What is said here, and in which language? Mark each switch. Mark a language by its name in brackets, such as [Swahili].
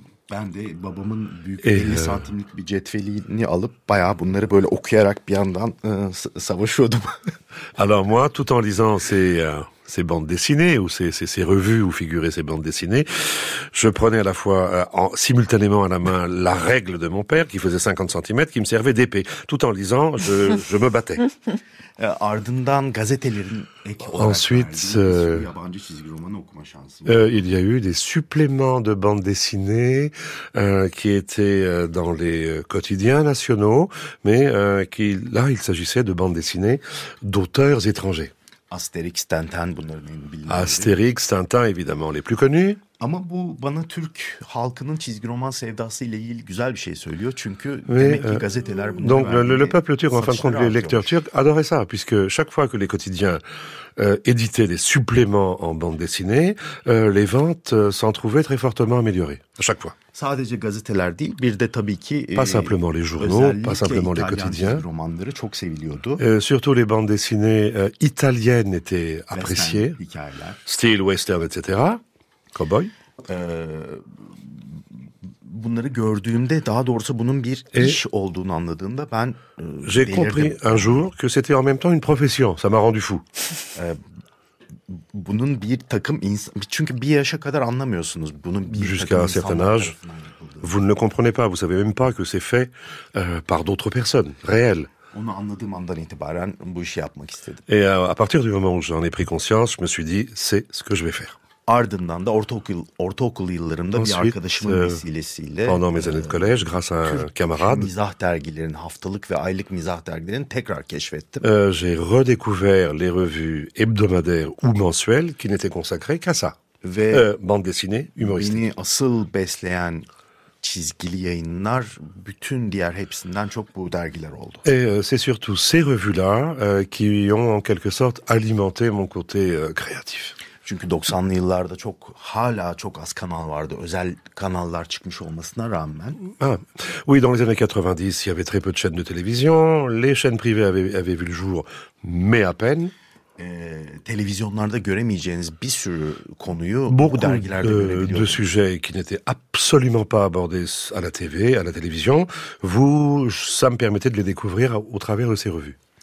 [Turkish] Ben de babamın büyük 50 santimlik bir cetvelini alıp bayağı bunları böyle okuyarak bir yandan savaşıyordum. [French] Alors moi tout en lisant ces bandes dessinées ou ces revues où figuraient ces bandes dessinées, je prenais à la fois simultanément à la main la règle de mon père qui faisait 50 cm qui me servait d'épée. Tout en lisant, je me battais. [Turkish] Ardından gazetelerin [French] ensuite il y a eu des suppléments de bandes dessinées qui étaient dans les quotidiens nationaux, mais qui là il s'agissait de bandes dessinées d'auteurs étrangers. [Turkish] Astérix, Tintin, bunların en bilinenleri. [French] Astérix, Tintin, évidemment, les plus connus. [Turkish] Ama bu bana Türk halkının çizgi roman sevdası ile ilgili güzel bir şey söylüyor. Çünkü [French] mais, [Turkish] demek ki gazeteler bunları [French] donc le peuple turc, en fin de compte, les lecteurs turcs adoraient ça, puisque chaque fois que les quotidiens éditaient des suppléments en bande dessinée, les ventes s'en trouvaient très fortement améliorées, à chaque fois. [Turkish] Sadece gazeteler değil, bir de tabii ki [French] pas simplement les journaux, pas simplement les quotidiens. [Turkish] Çizgi romanları çok seviliyordu. [French] Surtout les bandes dessinées italiennes étaient appréciées. Style western, etc. Cowboy. [Turkish] Bunları gördüğümde, daha doğrusu bunun bir iş olduğunu anladığımda ben [French] j'ai compris un jour que c'était en même temps une profession. Ça m'a rendu fou. [Turkish] Bunun bir takım insan, çünkü bir yaşa kadar anlamıyorsunuz bunun bir [French] jusqu'à [Turkish] takım [French] certain âge, vous ne le comprenez pas, vous savez même pas que c'est fait par d'autres personnes réelles. [Turkish] Onu anladığım andan itibaren bu işi yapmak istedim. [French] Et à partir du moment où j'en ai pris conscience, je me suis dit c'est ce que je vais faire. [Turkish] Ardından da ortaokul yıllarımda [French] ensuite, [Turkish] bir arkadaşımın vesilesiyle [French] pendant mes années de collège grâce à un camarade [Turkish] mizah dergilerin haftalık ve aylık mizah dergilerini tekrar keşfettim. [French] J'ai redécouvert les revues hebdomadaires ou mensuelles qui n'étaient consacrées qu'à ça. [Turkish] Ve [French] bande dessinée humoristique. [Turkish] Beni asıl besleyen çizgili yayınlar bütün diğer hepsinden çok bu dergiler oldu. [French] Et c'est surtout ces revues-là qui ont en quelque sorte alimenté mon côté créatif. [Turkish] Çünkü 90'lı yıllarda çok hala çok az kanal vardı. Özel kanallar çıkmış olmasına rağmen. [French] Ah, oui, dans les années 90, il y avait très peu de chaînes de télévision. Les chaînes privées avaient vu le jour, mais à peine. [Turkish] Televizyonlarda göremeyeceğiniz bir sürü konuyu [French] beaucoup [Turkish] bu dergilerde görebiliyordunuz. [French] De sujets qui n'étaient absolument pas abordés à la TV, à la télévision, ça me permettait de les découvrir au travers de ces revues.